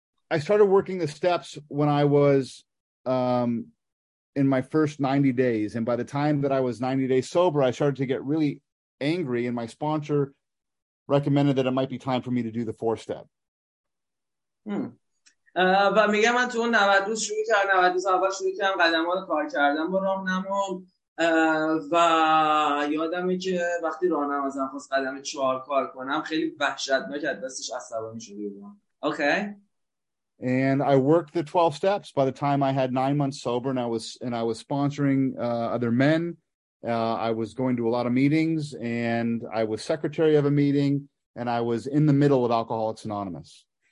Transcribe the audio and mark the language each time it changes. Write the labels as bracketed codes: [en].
[en] I started working the steps when I was in my first 90 days. And by the time that I was 90 days sober, I started to get really angry. And my sponsor recommended that it might be time for me to do the 4-step. [fa] و میگم من تو 90 روز شروع کردم 90 روز اول شروع کردم قدم‌ها رو کار کردم با راهنما و یادمه که وقتی راهنما ازم خواست قدم 4 کار کنم خیلی وحشتناک از دستش عصبانی شده بودم. [en] Okay. And I worked the 12 steps by the time I had 9 months sober and I was sponsoring other men. I was going to a lot of meetings and I was secretary of a meeting and I was in the middle of Alcoholics Anonymous.